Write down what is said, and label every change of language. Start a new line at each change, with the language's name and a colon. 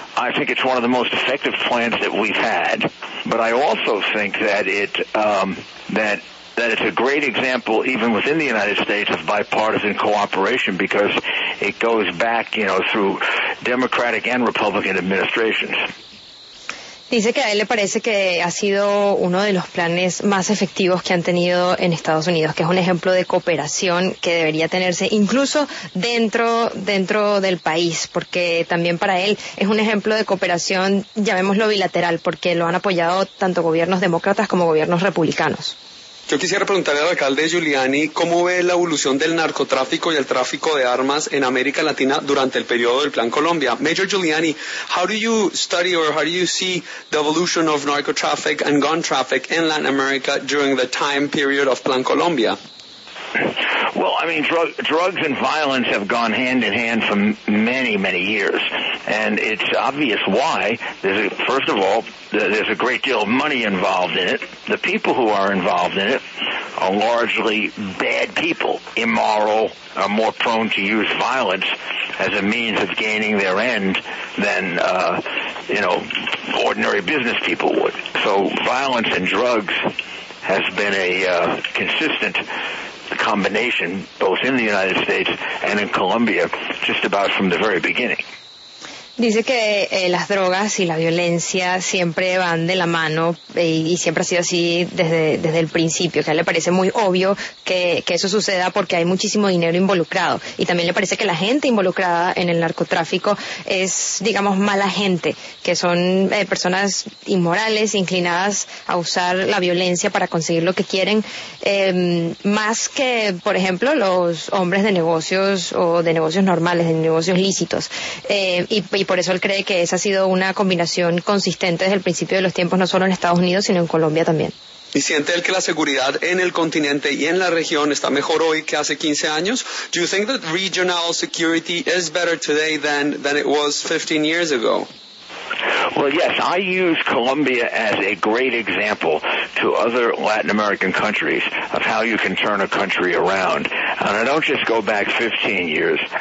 English: I think it's one of the most effective plans that we've had. But I also think that it that it's a great example even within the United States of bipartisan cooperation, because it goes back, you know, through Democratic and Republican administrations.
Spanish: Dice que a él le parece que ha sido uno de los planes más efectivos que han tenido en Estados Unidos, que es un ejemplo de cooperación que debería tenerse incluso dentro del país, porque también para él es un ejemplo de cooperación, llamémoslo bilateral, porque lo han apoyado tanto gobiernos demócratas como gobiernos republicanos. Yo quisiera preguntarle al alcalde Giuliani cómo ve la evolución del narcotráfico y el tráfico de armas en América Latina durante el periodo del Plan Colombia.
English: Major Giuliani, how do you study or how do you see the evolution of narcotraffic and gun traffic in Latin America during the time period of Plan Colombia? Well, I mean, drugs and violence have gone hand in hand for many, many years. And it's obvious why. First of all, there's a great deal of money involved in it. The people who are involved in it are largely bad people, immoral, are more prone to use violence as a means of gaining their end than, you know, ordinary business people would. So violence and drugs has been a consistent combination both in the United States and in Colombia just about from the very beginning.
Spanish: Dice que las drogas y la violencia siempre van de la mano y siempre ha sido así desde el principio. Que a él le parece muy obvio que eso suceda porque hay muchísimo dinero involucrado. Y también le parece que la gente involucrada en el narcotráfico es, digamos, mala gente, que son personas inmorales, inclinadas a usar la violencia para conseguir lo que quieren, más que, por ejemplo, los hombres de negocios o de negocios normales, de negocios lícitos. Y por eso él cree que esa ha sido una combinación consistente desde el principio de los tiempos, no solo en Estados Unidos, sino en Colombia también. ¿Y siente él que la seguridad en el continente y en la región está mejor hoy que hace 15 años?
English: Do you think that regional security is better today than it was 15 years ago? Well, yes, I use Colombia as a great example to other Latin American countries of how you can turn a country around. And I don't just go back 15 years.